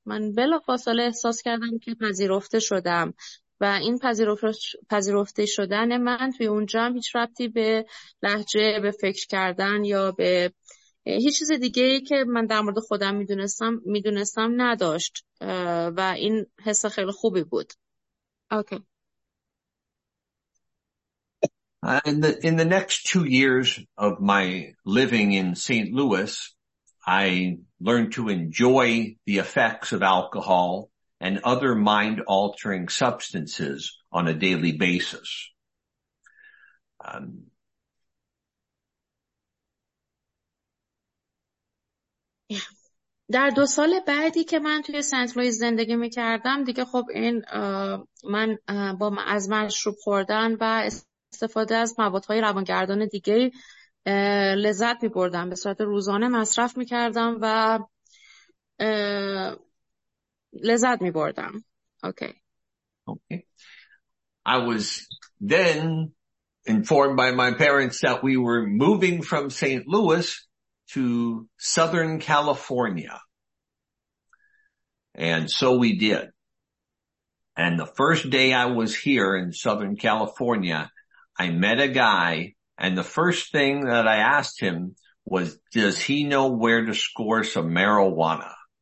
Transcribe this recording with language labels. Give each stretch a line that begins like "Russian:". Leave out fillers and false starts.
Persian: من بلافاصله احساس کردم که پذیرفته شدم و این پذیرفته شدن من توی اونجا هم هیچ ربطی به لهجه، به فکر کردن یا به هیچ چیز دیگه ای که من در مورد خودم میدونستم نداشت و این حس خیلی خوبی بود.
English: Okay. In the next 2 years of my living in St. Louis, I learned to enjoy the effects of alcohol and other mind-altering substances on a daily basis.
Persian: در دو سال بعدی که من توی سنت لوئیس زندگی میکردم دیگه خب این من با از مشروب خوردن و استفاده از موادهای روانگردان دیگه لذت میبردم، به صورت روزانه مصرف میکردم و لذت میبردم.
English: Okay. I was then informed by my parents that we were moving from St. Louis to Southern California. And so we did. And the first day I was here in Southern California, I met a guy, and the first thing that I asked him was, does he know where to score some marijuana?